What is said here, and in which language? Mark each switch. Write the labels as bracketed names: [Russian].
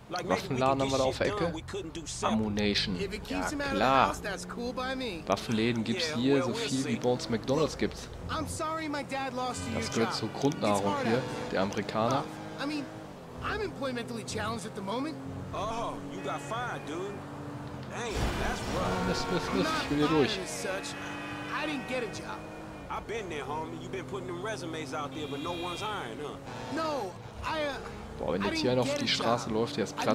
[German] Like, Waffenladen haben wir da auf der Ecke. Ammunition. Ja, klar. Waffenläden gibt's hier so viel wie Bones McDonald's gibt's. [English] I'm sorry, my dad lost [German] das gehört zur Grundnahrung hier, der Amerikaner. [English] I mean, I'm employmentally challenged at the moment. Oh, you got fired, dude. Dang, that's rough. [German] Miss, ich will hier durch. [English] I didn't get a job. I've been there, homie. You've been putting them resumes out there, but no one's hiring, huh? No. [German] Boah, wenn jetzt hier noch auf die Straße läuft, der ist platt.